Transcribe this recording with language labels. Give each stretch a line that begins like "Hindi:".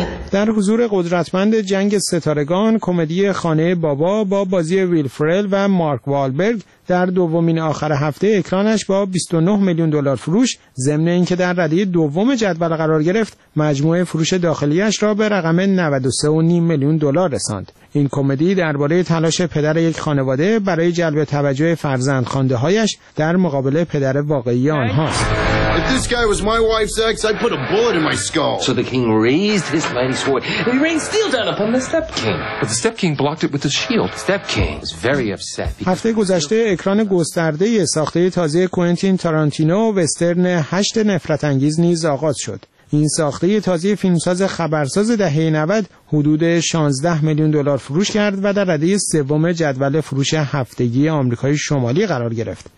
Persian: در حضور قدرتمند جنگ ستارگان، کمدی خانه بابا با بازی ویل فرل و مارک والبرگ در دومین آخر هفته اکرانش با 29 میلیون دلار فروش، ضمن اینکه در رده دوم جدول قرار گرفت، مجموع فروش داخلیش را به رقم 93.5 میلیون دلار رساند. این کمدی درباره تلاش پدر یک خانواده برای جلب توجه فرزند خوانده هایش در مقابل پدر واقعی آنهاست.
English: If this guy was my wife's ex, I'd put a bullet in my skull. So the king raised his mighty sword, and he rained steel down upon the step king. But the step king blocked it with his shield. Step king was very upset.
Persian: هفته گذشته اکران گسترده ی ساخته تازه کوئنتین تارانتینو وسترن هشت نفرت انگیز نیز آغاز شد. این ساخته تازه فیلمساز خبرساز دهه 90 حدود 16 میلیون دلار فروش کرد و در رده سوم جدول فروش هفتگی آمریکای شمالی قرار گرفت.